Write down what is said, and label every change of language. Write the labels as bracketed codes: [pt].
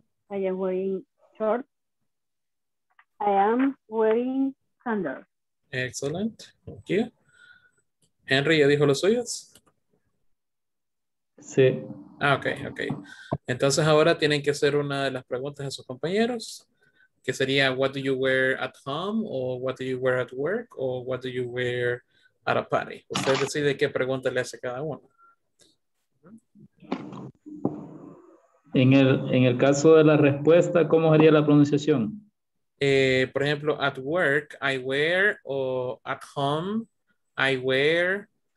[en] I am wearing shorts. I am wearing sandals. Excellent. Thank you. [es] Henry, ¿ya dijo los suyos? Sí. [en] Ah, okay, okay. [es] Entonces ahora tienen que hacer una de las preguntas a sus compañeros. Que sería, [en] what do you wear at home? O what do you wear at work? O what do you wear at a party? [es] Usted decide qué pregunta le hace cada uno. En el caso de la respuesta, ¿cómo sería la pronunciación? Por ejemplo, [en] at work, I wear. O at home, I wear.